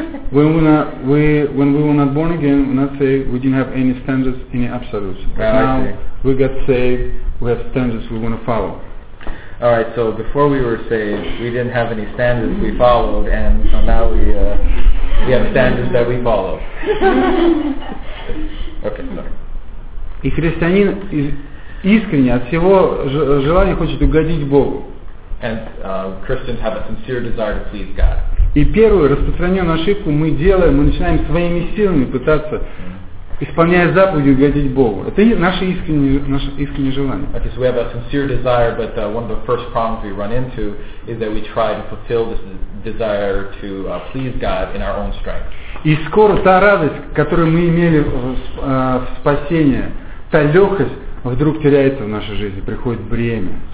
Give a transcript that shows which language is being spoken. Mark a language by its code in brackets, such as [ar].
[en] When we not, when we were not born again, we not saved, we didn't have any standards, any absolutes. But now we got saved, we have standards we want to follow. All right. So before we were saved, we didn't have any standards we followed, and so now we have standards that we follow. Okay. [ru] И христианин искренне от всего желания хочет угодить Богу. [en] And Christians have a sincere desire to please God. [ru] И первую распространенную ошибку мы делаем, мы начинаем своими силами пытаться, исполняя заповеди, угодить Богу. Это наше искреннее желание. [en] Okay, so we have a sincere desire, but one of the first problems we run into is that we try to fulfill this desire to please God in our own strength. [ru] И скоро та радость, которую мы имели в спасении, та легкость вдруг теряется в нашей жизни, приходит бремя.